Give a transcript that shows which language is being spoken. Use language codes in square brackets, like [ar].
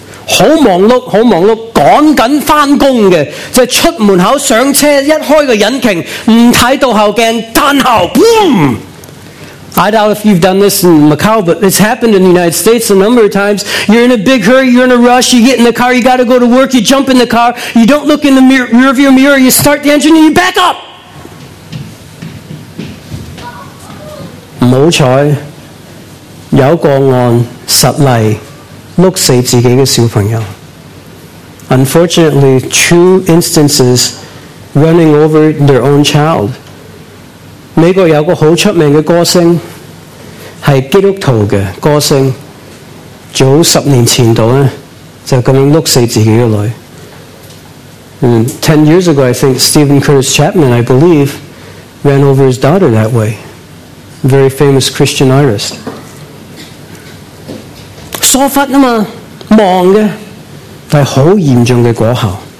[yue] 好忙碌，好忙碌，赶紧翻工嘅，就是、出门口上车，一开个引擎，唔睇到后镜，弹后 ，boom！ [en] I doubt if you've done this in Macau, but it's happened in the United States a number of times. You're in a big hurry, you're in a rush, you get in the car, you got to go to work, you jump in the car, you don't look in the rearview mirror, you start the engine and you back up. [yue] 唔好彩，有个案实例，碌死自己嘅小朋友。 [en] Unfortunately, two instances running over their own child. [yue] 美国有个好出名嘅歌星，系基督徒嘅歌星，早十年前度咧就咁样碌死自己嘅女。 [en] Ten years ago, I think Stephen Curtis Chapman, I believe, ran over his daughter that way. Very famous Christian artist. [yue] 疏忽啊嘛，忙嘅，但系好严重嘅果效。